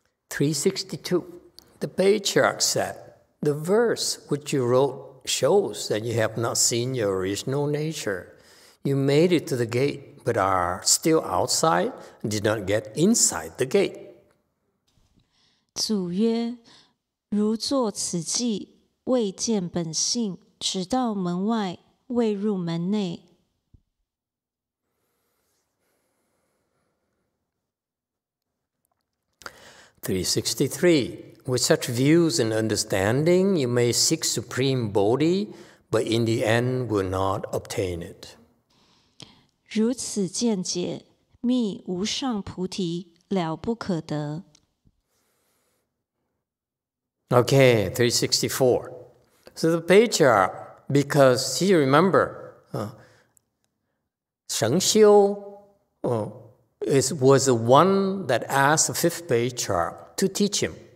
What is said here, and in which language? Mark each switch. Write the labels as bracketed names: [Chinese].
[English] 362. The patriarch said, the verse which you wrote shows that you have not seen your original nature. You made it to the gate, but are still outside and did not get inside the gate. [Chinese] 祖曰，如作此偈，未见本性，直到门外，未入门内。 [English] 363. With such views and understanding, you may seek supreme Bodhi, but in the end will not obtain it. [Chinese] 如此见解，觅无上菩提，了不可得。 [English] Okay, 364. So the patriarch, because he remember, Sheng Xiu was the one that asked the fifth patriarch to teach him.